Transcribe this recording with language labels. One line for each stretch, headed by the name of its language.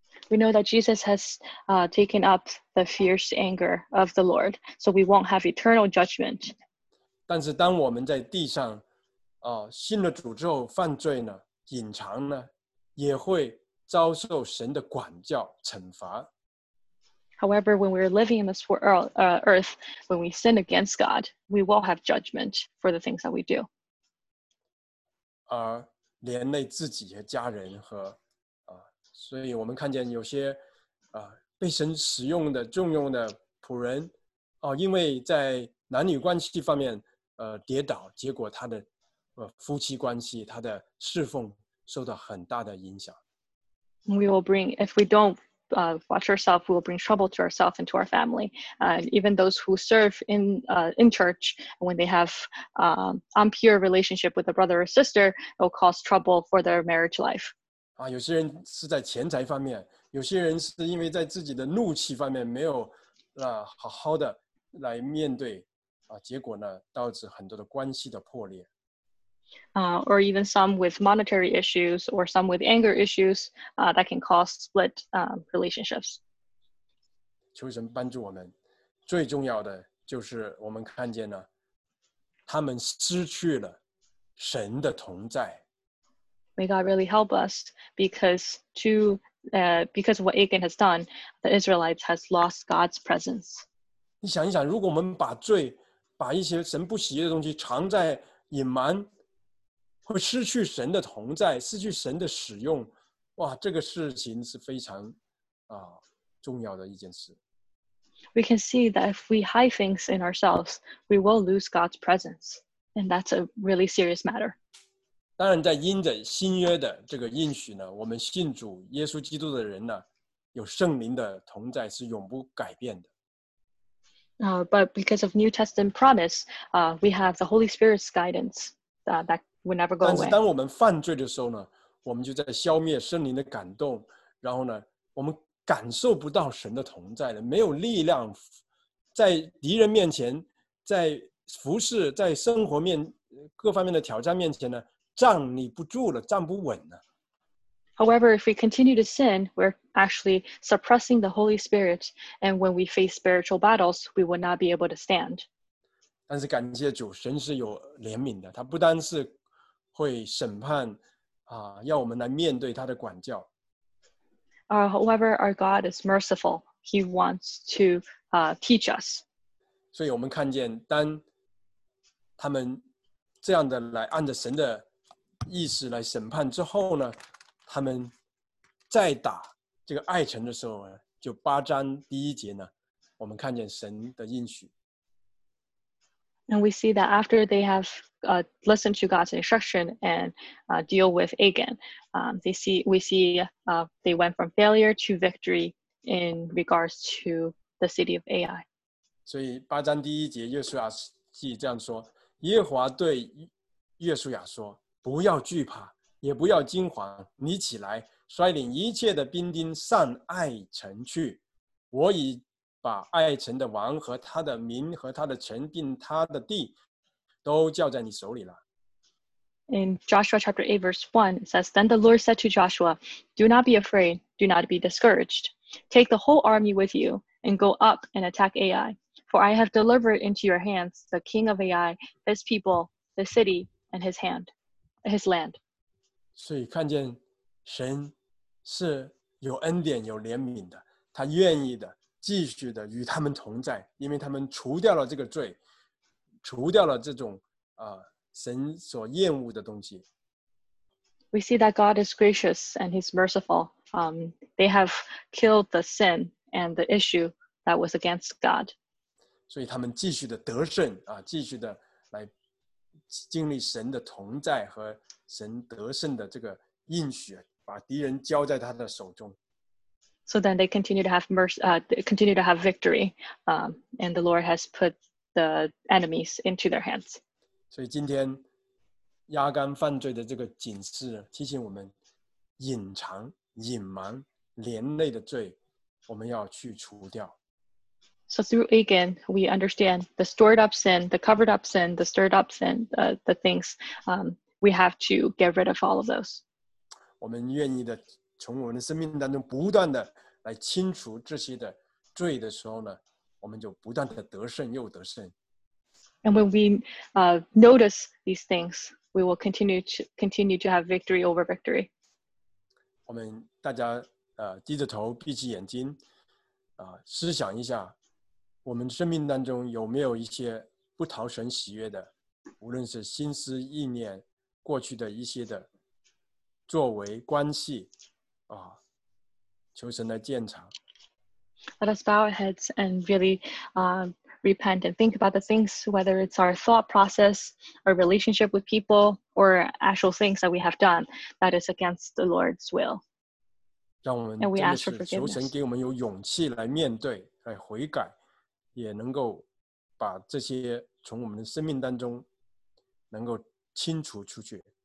English: We know that Jesus has taken up the fierce anger of the Lord, so we won't have eternal judgment.
Chinese: 但是当我们在地上，信了主之后犯罪呢，隐藏呢，也会。遭受神的管教、惩罚。
English: However, when we are living in this earth, when we sin against God, we will have judgment for the things that we do.
Chinese: 而连累自己和家人和所以我们看见有些被神使用的、重用的仆人因为在男女关系方面跌倒，结果他的夫妻关系、他的侍奉受到很大的影响。
English: We will bring, if we don't watch ourselves, we will bring trouble to ourselves and to our family. Even those who serve in church, when they have impure relationship with a brother or sister, it will cause trouble for their marriage life.
Chinese: 有些人是在钱财方面，有些人是因为在自己的怒气方面没有好好的来面对结果呢，导致很多的关系的破裂。
English: Or even some with monetary issues or some with anger issues that can cause split relationships.
Chinese: 求神帮助我们，最重要的就是我们看见呢，他们失去了神的同在。
English: May God really help us because of what Achan has done, the Israelites has lost God's presence.
Chinese: 你想一想，如果我们把罪，把一些神不喜悦的东西藏在隐瞒，会失去神的同在，失去神的使用，哇，这个事情是非常重要的一件事。
English: We can see that if we hide things in ourselves, we will lose God's presence, and that's a really serious matter.
Chinese: 当然，在因着新约的这个应许呢，我们信主耶稣基督的人呢，有圣灵的同在是永不改变的。
English: But because of New Testament promise, we have the Holy Spirit's guidance that will never go away.
Chinese: 但是当我们犯罪的时候呢，我们就在消灭圣灵的感动，然后呢，我们感受不到神的同在了，没有力量在敌人面前，在服侍，在生活面各方面的挑战面前呢，站立不住了，站不稳了。
English: However, if we continue to sin, we're actually suppressing the Holy Spirit, and when we face spiritual battles, we will not be able to stand.
Chinese: 但是感谢主，神是有怜悯的，他不单是会审判，要我们来面对他的管教。
English: However, our God is merciful. He wants to teach us.
Chinese: 所以我们看见，当他们这样的来按着神的意思来审判之后呢，他们再打这个爱城的时候呢，就八章第一节呢，我们看见神的应许。
English: And we see that after they have listened to God's instruction and deal with Achan, they went from failure to victory in regards to the city of Ai.
Chinese: 所以八章第一节，约书亚记这样说：耶和华对约书亚说，不要惧怕，也不要惊慌，你起来，率领一切的兵丁上爱城去。我已把爱城的王和他的民和他的城并他的地都交在你手里了。
English: In Joshua chapter 8 verse 1, it says, Then the Lord said to Joshua, Do not be afraid, do not be discouraged. Take the whole army with you and go up and attack Ai. For I have delivered into your hands the king of Ai, his people, the city, and his land.
Chinese: 所以看见神是有恩典有怜悯的，他愿意的继续的与他们同在，因为他们除掉了这个罪，除掉了这种神所厌恶的东西。
English: We see that God is gracious and he's merciful. They have killed the sin and the issue that was against God.
Chinese: 所以他们继续的得胜啊，继续的来经历神的同在和神得胜的这个应许，把敌人交在他的手中。
English: So then they continue to have mercy, continue to have victory, and the Lord has put the enemies into their hands.
Chinese: 所以今天亚干犯罪的这个警示提醒我们，隐藏、隐瞒、连累的罪，我们要去除掉。
English: So through Achan, we understand the stored up sin, the covered up sin, the stirred up sin, the things, we have to get rid of all of those.
Chinese: 我们愿意的从我们的生命当中不断的来清除这些的罪的时候呢，我们就不断的得胜又得胜。
English: And when we notice these things, we will continue to have victory over victory.
Chinese: 我们大家低着头闭起眼睛思想一下，我们生命当中有没有一些不讨神喜悦的，无论是心思意念、过去的一些的作为关系求神来鉴察。
English: Let us bow our heads and really repent and think about the things, whether it's our thought process, our relationship with people, or actual things that we have done that is against the Lord's will.
Chinese: 让我们真的是求神给我们有勇气来面对，来悔改，也能够把这些从我们的生命当中能够清除出去。